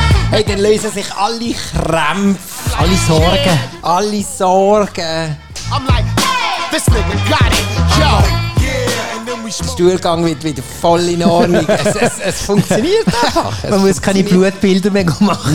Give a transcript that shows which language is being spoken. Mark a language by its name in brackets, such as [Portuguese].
[German] Hey, dann lösen sich alle Krämpfe. Alle Sorgen. Alle Sorgen. [English] I'm like, hey, this nigga got it, yo. [German] Der Stuhlgang wird wieder voll in Ordnung. Es funktioniert einfach. Man muss keine Blutbilder mehr machen.